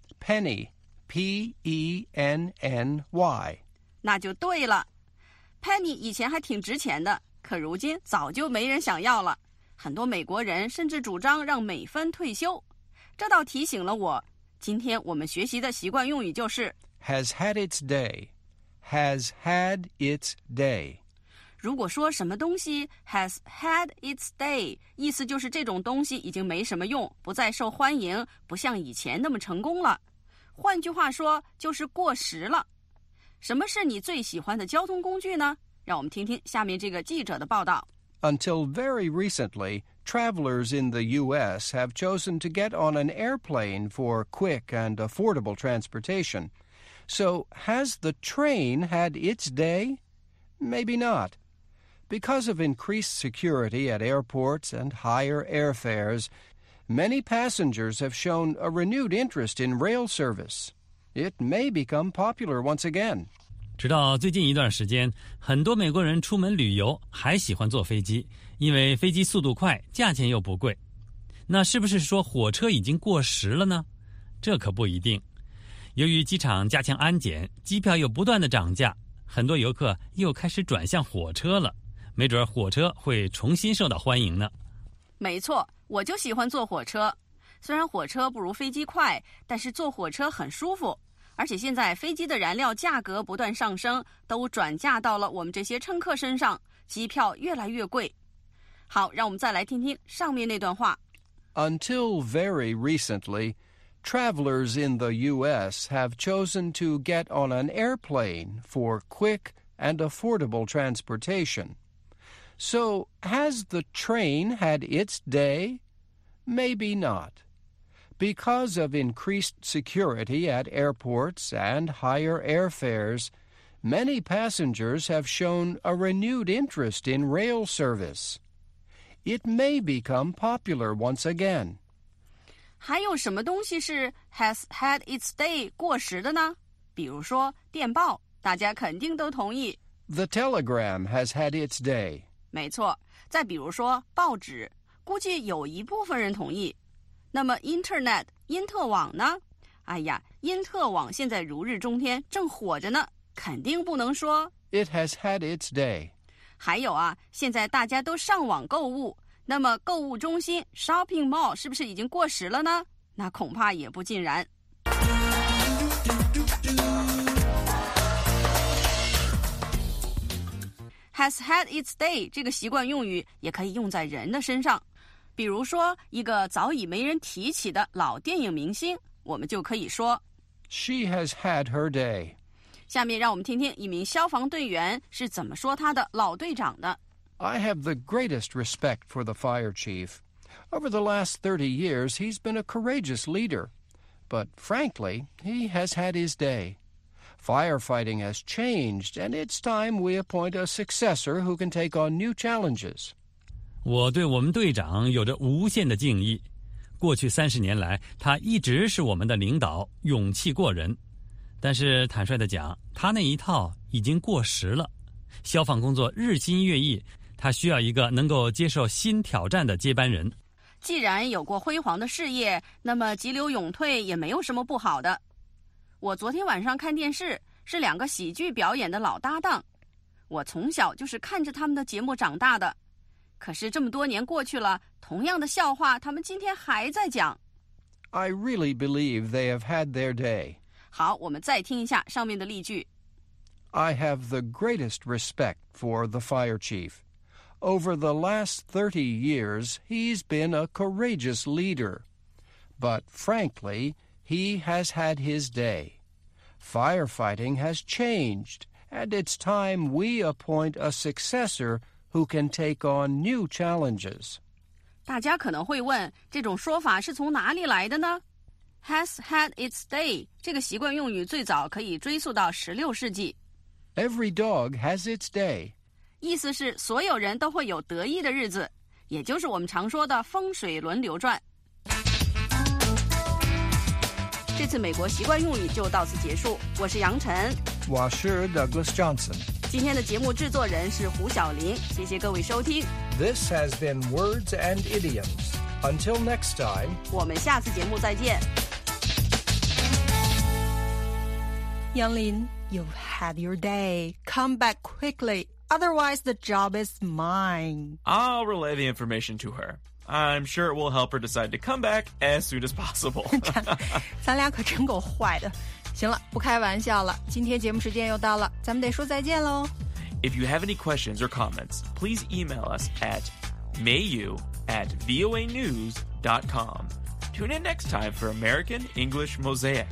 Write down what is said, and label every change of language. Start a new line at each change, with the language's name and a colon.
English: penny, P-E-N-N-Y,
Chinese: 那就对了。 penny 以前还挺值钱的，可如今早就没人想要了，很多美国人甚至主张让美分退休。这倒提醒了我，今天我们学习的习惯用语就是
English: has had its day, has had its day.
Chinese: 如果说什么东西
English: has had its day,
Chinese: 意思就是这种东西已经没什么用，不再受欢迎，不像以前那么成功了。换句话说，就是过时了。什么是你最喜欢的交通工具呢？让我们听听下面这个记者的报道。
English: Until very recently, travelers in the U.S. have chosen to get on an airplane for quick and affordable transportation. So, has the train had its day? Maybe not. Because of increased security at airports and higher airfares, many passengers have shown a renewed interest in rail service. It may become popular once again.
Chinese: 直到最近一段时间，很多美国人出门旅游还喜欢坐飞机，因为飞机速度快，价钱又不贵。那是不是说火车已经过时了呢？这可不一定。由于机场加强安检，机票又不断的涨价，很多游客又开始转向火车了。没准火车会重新受到欢迎呢。没错，我就喜欢坐火车。虽然火车不如飞机快，但是坐火车很舒服。而且现在飞机的燃料价格不断上升，都转嫁到了我们这些乘客身上，机票越来越贵。好，让我们再来听听上面那段话。
English: Until very recently, travelers in the U.S. have chosen to get on an airplane for quick and affordable transportation. So, has the train had its day? Maybe not. Because of increased security at airports and higher airfares, many passengers have shown a renewed interest in rail service. It may become popular once again.
Chinese: 还有什么东西是
English: has had its day
Chinese: 过时的呢？比如说电报，大家肯定都同意。
English: The telegram has had its day.
Chinese: 没错，再比如说报纸，估计有一部分人同意。那么 Internet, 因特网呢？哎呀，因特网现在如日中天，正火着呢，肯定不能说
English: It has had its day.
Chinese: 还有啊，现在大家都上网购物，那么购物中心 Shopping Mall 是不是已经过时了呢？那恐怕也不尽然。
English: Has had its day
Chinese: 这个习惯用语也可以用在人的身上。比如说一个早已没人提起的老电影明星，我们就可以说
English: She has had her day.
Chinese: 下面让我们听听一名消防队员是怎么说他的老队长的。
English: I have the greatest respect for the fire chief. Over the last 30 years, he's been a courageous leader. But frankly, he has had his day. Firefighting has changed, and it's time we appoint a successor who can take on new challenges.
Chinese: 我对我们队长有着无限的敬意，过去30年来，他一直是我们的领导，勇气过人。但是坦率地讲，他那一套已经过时了。消防工作日新月异，他需要一个能够接受新挑战的接班人。既然有过辉煌的事业，那么急流勇退也没有什么不好的。我昨天晚上看电视，是两个喜剧表演的老搭档，我从小就是看着他们的节目长大的。可是这么多年过去了，同样的笑话他们今天还在讲。
English: I really believe they have had their day.
Chinese: 好，我们再听一下上面的例句。
English: I have the greatest respect for the fire chief. Over the last 30 years, he's been a courageous leader. But frankly, he has had his day. Firefighting has changed, and it's time we appoint a successor... who can take on new challenges.
Chinese: 大家可能会问，这种说法是从哪里来的呢？
English: Has had its day,
Chinese: 这个习惯用语最早可以追溯到16世纪。
English: Every dog has its day.
Chinese: 意思是所有人都会有得意的日子，也就是我们常说的风水轮流转。这次美国习惯用语就到此结束，我是杨晨。我是 Douglas Johnson。今天的节目制作人是胡晓林，谢谢各位收听。
English: This has been Words and Idioms. Until next time,
Chinese: 我们下次节目再见。
English: 杨林 you've had your day. Come back quickly, otherwise the job is mine. I'll relay the information to her. I'm sure it will help her decide to come back as soon as possible.
Chinese: 咱俩可真够坏的。行了，不开玩笑了，今天节目时间又到了，咱们得说再见喽。
English: If you have any questions or comments, please email us at mayu@voanews.com. Tune in next time for American English Mosaic.